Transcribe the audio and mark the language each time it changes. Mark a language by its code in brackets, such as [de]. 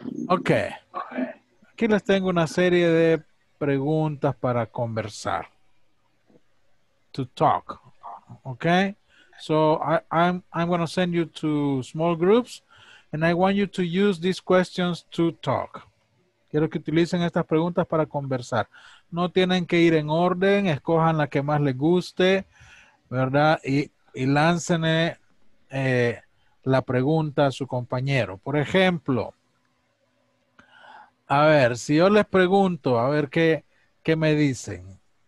[en] Okay. [es] Aquí les tengo una serie de preguntas para conversar. [en] To talk. Okay. So I'm going to send you to small groups and I want you to use these questions to talk. [es] Quiero que utilicen estas preguntas para conversar. No tienen que ir en orden, escojan la que más les guste, ¿verdad? Y láncen la pregunta a su compañero. Por ejemplo, a ver, si yo les pregunto, a ver qué me dicen.